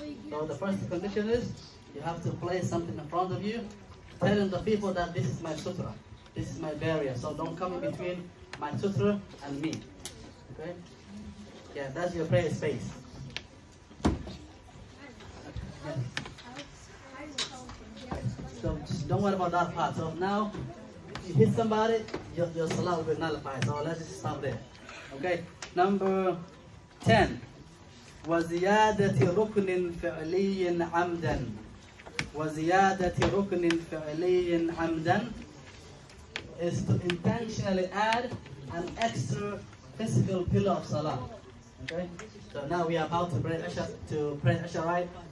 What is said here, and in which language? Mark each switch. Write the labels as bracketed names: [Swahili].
[English] So the first condition is, you have to place something in front of you, telling the people that this is my sutra, this is my barrier, so don't come in between my sutra and me. Okay? Yeah, that's your prayer space. Yeah. So just don't worry about that part. So now, if you hit somebody, your salah will be nullified. So let's just stop there. Okay, number 10. [Arabic] وزيادة ركن فعلي عمدا وزيادة ركن فعلي عمدا [English] is to intentionally add an extra physical pillar of salah. Okay? So now we are about to pray Isha, right?